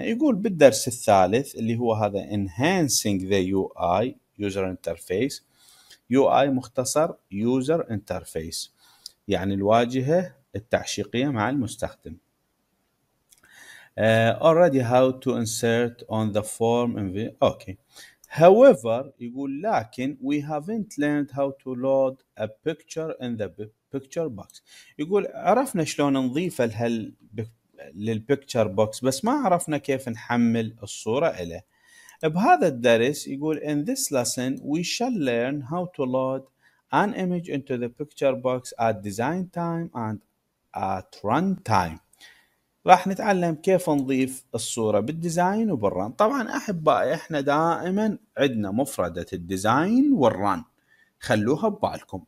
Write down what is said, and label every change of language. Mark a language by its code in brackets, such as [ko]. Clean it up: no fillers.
[ar] يقول بالدرس الثالث اللي هو هذا [en] Enhancing the UI User Interface، [ar] UI مختصر User Interface يعني الواجهة التعشيقية مع المستخدم. [en] Already how to insert on the form in the... Okay. However, [ar] يقول لكن [en] we haven't learned how to load a picture in the picture box. [ar] يقول عرفنا شلون نضيف للpicture box بس ما عرفنا كيف نحمل الصورة إليه. بهذا الدرس يقول [en] in this lesson we shall learn how to load an image into the picture box at design time and at run time. [ar] راح نتعلم كيف نضيف الصورة بالديزاين وبالران. طبعا أحبائي احنا دائما عندنا مفردة الديزاين والران، خلوها ببالكم.